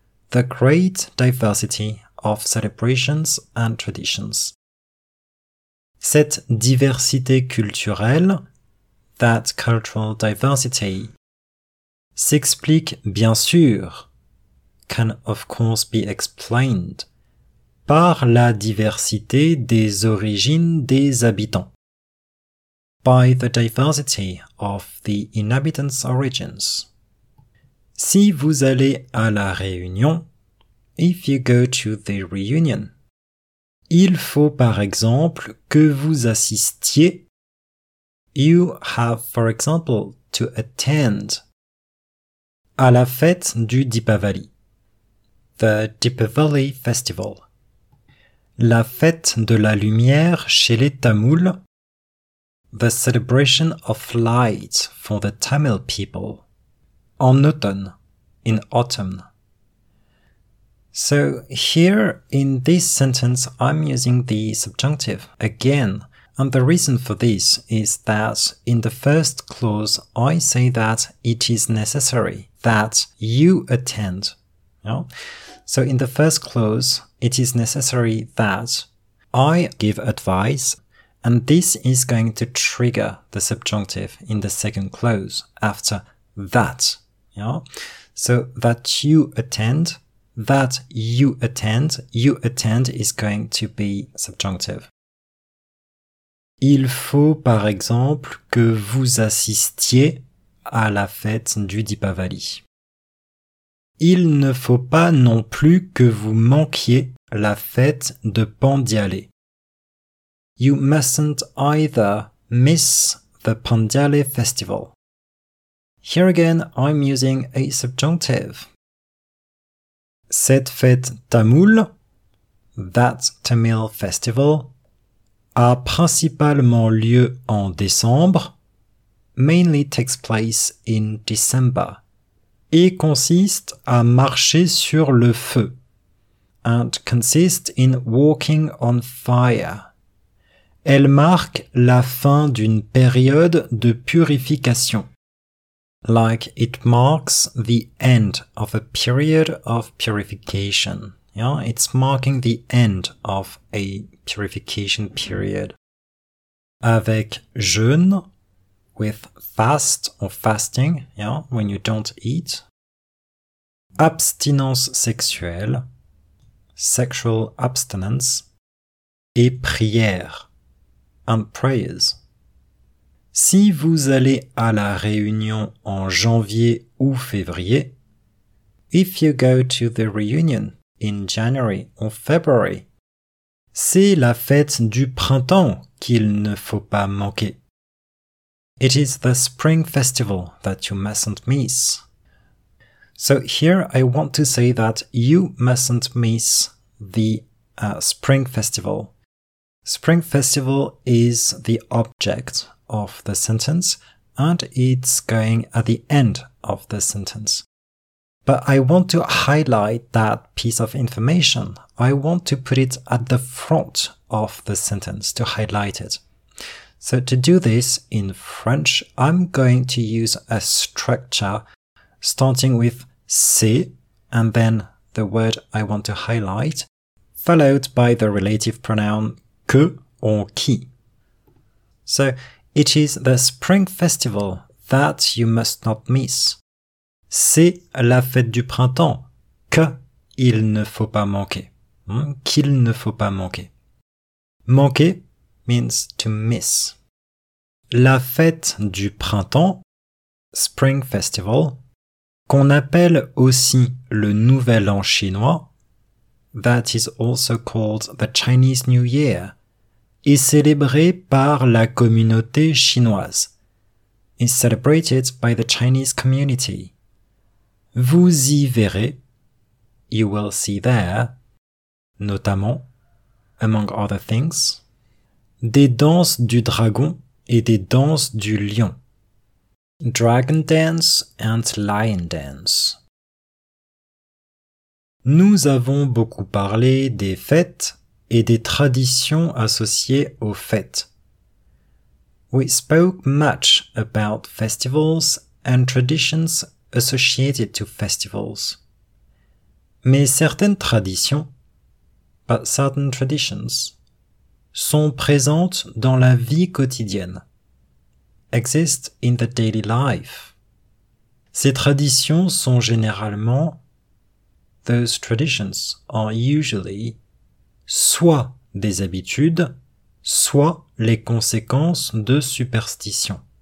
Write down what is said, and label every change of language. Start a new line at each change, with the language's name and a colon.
English: The great diversity of celebrations and traditions.
French: Cette diversité culturelle,
English: that cultural diversity,
French: s'explique bien sûr,
English: can of course be explained,
French: par la diversité des origines des habitants.
English: By the diversity of the inhabitants' origins.
French: Si vous allez à la Réunion,
English: if you go to the Reunion,
French: il faut par exemple que vous assistiez.
English: You have, for example, to attend.
French: À la fête du Deepavali.
English: The Deepavali Festival.
French: La fête de la lumière chez les Tamouls.
English: The celebration of light for the Tamil people.
French: en automne,
English: in autumn. So here in this sentence, I'm using the subjunctive again. And the reason for this is that in the first clause, I say that it is necessary that you attend. Yeah? So in the first clause, it is necessary that I give advice. And this is going to trigger the subjunctive in the second clause after that. Yeah? So that you attend, that you attend is going to be subjunctive.
French: Il faut, par exemple, que vous assistiez à la fête du Deepavali. Il ne faut pas non plus que vous manquiez la fête de Pandialé.
English: You mustn't either miss the Pandialé festival. Here again, I'm using a subjunctive.
French: Cette fête Tamoul,
English: that Tamil festival,
French: a principalement lieu en décembre,
English: mainly takes place in December,
French: et consiste à marcher sur le feu,
English: and consists in walking on fire.
French: Elle marque la fin d'une période de purification.
English: Like it marks the end of a period of purification. Yeah, it's marking the end of a purification period.
French: Avec jeûne,
English: with fast or fasting, yeah, when you don't eat.
French: Abstinence sexuelle,
English: sexual abstinence.
French: Et prière,
English: and prayers.
French: Si vous allez à la réunion en janvier ou février,
English: if you go to the reunion in January or February,
French: c'est la fête du printemps qu'il ne faut pas manquer.
English: It is the spring festival that you mustn't miss. So here I want to say that you mustn't miss the spring festival. Spring festival is the object of the sentence, and it's going at the end of the sentence. But I want to highlight that piece of information. I want to put it at the front of the sentence to highlight it. So to do this in French, I'm going to use a structure starting with c'est and then the word I want to highlight, followed by the relative pronoun que or qui. So it is the spring festival that you must not miss.
French: C'est la fête du printemps que il ne faut pas manquer. Qu'il ne faut pas manquer.
English: Manquer means to miss.
French: La fête du printemps,
English: spring festival,
French: qu'on appelle aussi le nouvel an chinois,
English: that is also called the Chinese New Year,
French: est célébré par la communauté chinoise.
English: Is celebrated by the Chinese community.
French: Vous y verrez,
English: you will see there,
French: notamment,
English: among other things,
French: des danses du dragon et des danses du lion.
English: Dragon dance and lion dance.
French: Nous avons beaucoup parlé des fêtes et des traditions associées aux fêtes.
English: We spoke much about festivals and traditions associated to festivals.
French: Mais certaines traditions,
English: but certain traditions,
French: sont présentes dans la vie quotidienne,
English: exist in the daily life.
French: Ces traditions sont généralement,
English: those traditions are usually,
French: soit des habitudes, soit les conséquences de superstitions.